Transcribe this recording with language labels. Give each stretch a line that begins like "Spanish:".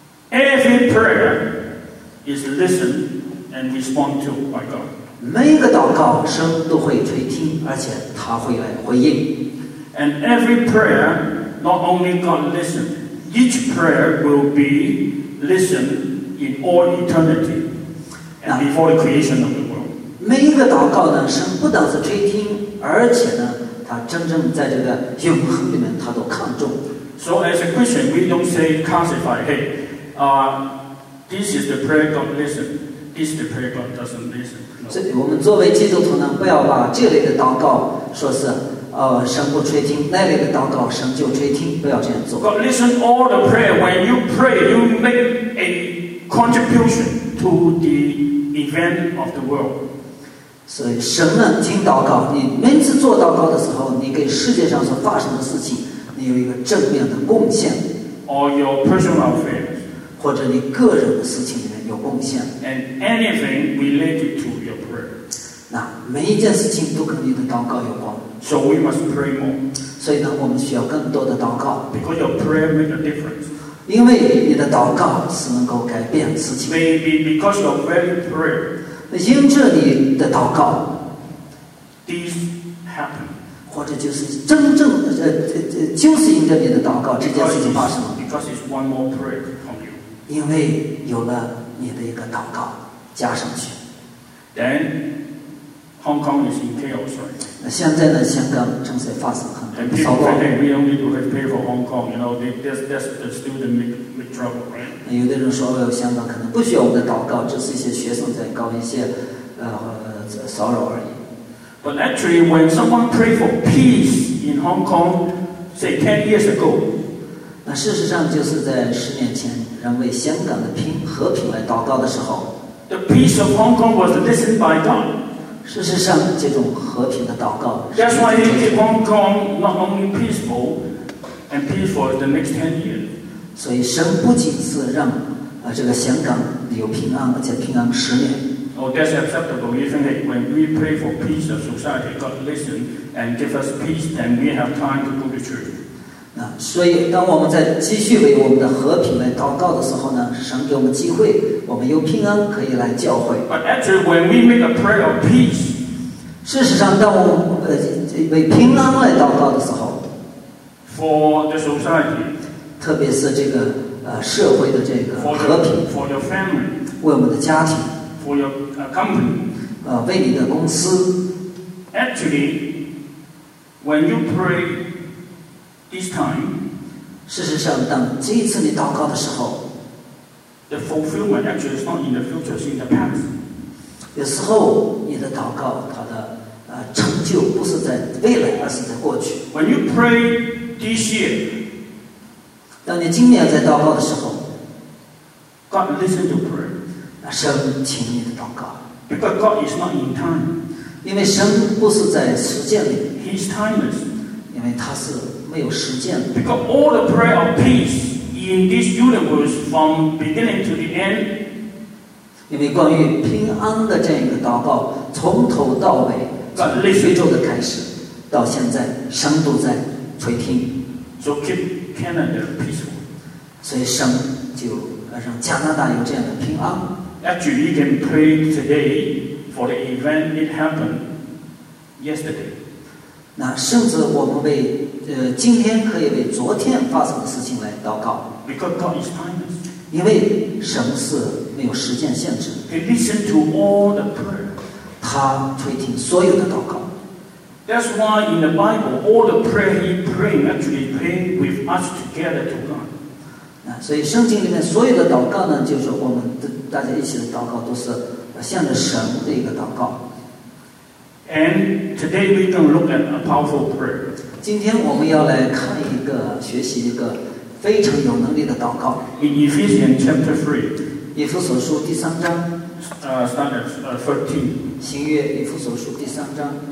English: Every prayer is listened and responded to by God.
Chinese: 每一个祷告神都会垂听，而且他会来回应。
English: And every prayer, not only God listens, each prayer will be listened. In all eternity, and before the creation of the world,
Chinese: 每一个祷告呢，神不但是垂听，而且呢，他真正在这个永恒里面，他都看重。
English: So as a Christian, we don't say classify. Hey, this is the prayer God listens. This is the prayer God doesn't listen.
Chinese: 所以我们作为基督徒呢，不要把这类的祷告说是神不垂听，那类的祷告神就垂听，不要这样做。
English: God listens all the prayer. When you pray, you make a contribution to the event of the world.
Chinese: 所以神呢听祷告，你每次做祷告的时候，你给世界上所发生的事情，你有一个正面的贡献。
English: Or your personal affairs.
Chinese: 或者你个人的事情里面有贡献。
English: And anything related to your prayer.
Chinese: 那每一件事情都跟你的祷告有关。
English: So we must pray more.
Chinese: 所以呢，我们需要更多的祷告。
English: Because your prayer makes a difference.
Chinese: 因为你的祷告是能够改变事情。
English: Maybe because of very prayer.
Chinese: 那因着你的祷告
English: ，this happened.
Chinese: 或者就是真正就是因着你的祷告这件事情发生了。
English: Because it's one more prayer from you.
Chinese: 因为有了你的一个祷告加上去。
English: Then Hong Kong is in chaos, right?
Chinese: 那现在的香港正在发生很多骚乱。
English: And people say we only do have pay for Hong Kong, you know, that's the student make trouble, right?
Chinese: 有的人说香港可能不需要我们的祷告，只是一些学生在搞一些骚扰而已。
English: But actually, when someone pray for peace in Hong Kong, say 10 years ago,
Chinese: 那事实上就是在十年前，人为香港的平和平来祷告的时候。
English: The peace of Hong Kong was listened by God.
Chinese: 事实上，这种和平的祷告。
English: That's why it made Hong Kong not only peaceful and peaceful the next 10 years.
Chinese: 所以神不仅是让这个香港有平安，而且平安十年。
English: Oh, that's acceptable, isn't it? When we pray for peace of society, God listen and give us peace, then we have time to go to church.
Chinese: 那所以，当我们在继续为我们的和平来祷告的时候呢，神给我们机会，我们有平安可以来教会。
English: But actually, when we make a prayer of peace,
Chinese: 事实上，当我们为平安来祷告的时候
English: ，for the society,
Chinese: 特别是这个社会的这个和平
English: ，for your family,
Chinese: 为我们的家庭。
English: For your company,
Chinese: 为你的公司。
English: Actually, when you pray this time,
Chinese: 事实上，当这一次你祷告的时候
English: ，the fulfillment actually is not in the future, it's in the past.
Chinese: 有时候你的祷告，它的成就不是在未来，而是在过去。
English: When you pray this year,
Chinese: 当你今年在祷告的时候
English: ，God listen to prayer.
Chinese: 神听你的祷告。
English: Because God is not in time.
Chinese: 因为神不是在时间里。
English: He is timeless.
Chinese: 因为他是没有时间的。
English: Because all the prayer of peace in this universe from beginning to the end.
Chinese: 因为关于平安的这样一个祷告，从头到尾，从宇宙的开始到现在，神都在垂听。
English: So keep Canada peaceful.
Chinese: 所以神就让加拿大有这样的平安。
English: Actually, you can pray today for the event that happened yesterday.
Chinese: 那甚至我们为今天可以为昨天发生的事情来祷告。
English: Because God is timeless.
Chinese: 因为神是没有时间限制。
English: He listens to all the prayer.
Chinese: 他垂听所有的祷告。
English: That's why in the Bible, all the prayer He prayed actually pray with us together to God.
Chinese: 那所以圣经里面所有的祷告呢，就是我们的。大家一起的祷告都是向着神的一个祷告。
English: And today we're going to look at a powerful prayer.
Chinese: 今天我们要来看一个学习一个非常有能力的祷告。
English: In Ephesians chapter 3.
Chinese: 以弗所书第三章。
English: Start at 13.
Chinese: 新约以弗所书第三章。